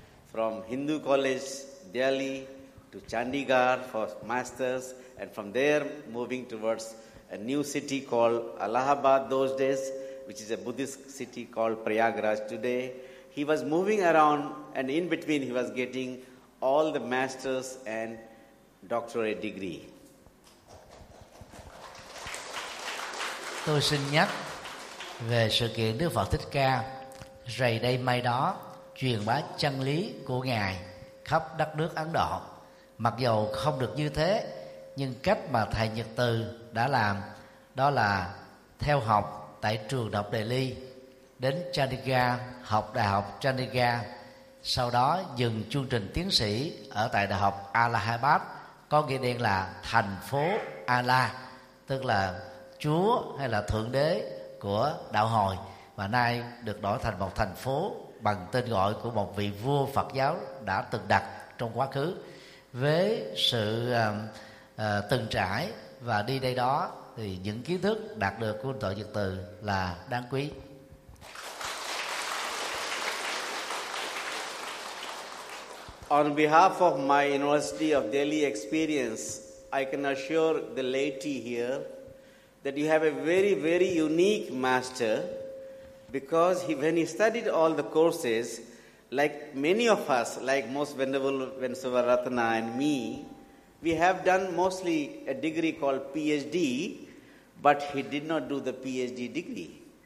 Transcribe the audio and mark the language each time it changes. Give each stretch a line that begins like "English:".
English: From Hindu College, Delhi, to Chandigarh for masters, and from there moving towards a new city called Allahabad those days, which is a Buddhist city called Prayagraj today. He was moving around, and in between he was getting all the masters and doctorate degree.
Vietnamese: Tôi xin nhắc về sự kiện Đức Phật Thích Ca rầy đây mai đó truyền bá chân lý của Ngài khắp đất nước Ấn Độ. Mặc dù không được như thế, nhưng cách mà Thầy Nhật Từ đã làm đó là theo học tại trường Đại học Đề Ly, đến Chandigarh học Đại học Chandigarh, sau đó dừng chương trình tiến sĩ ở tại Đại học Allahabad, có nghĩa đen là thành phố Allah, tức là Chúa hay là Thượng Đế của Đạo Hồi, và nay được đổi thành một thành phố bằng tên gọi của một vị vua Phật giáo đã từng đặt trong quá khứ. Với sự từng trải và đi đây đó, thì những kiến thức đạt được của Tổ Nhật Từ là đáng quý.
English: On behalf of my University of Delhi experience, I can assure the laity here that you have a very, very unique master, because he, when he studied all the courses, like many of us, like most Venerable Venkatesvararatna and me, we have done mostly a degree called PhD, but he did not do the PhD degree.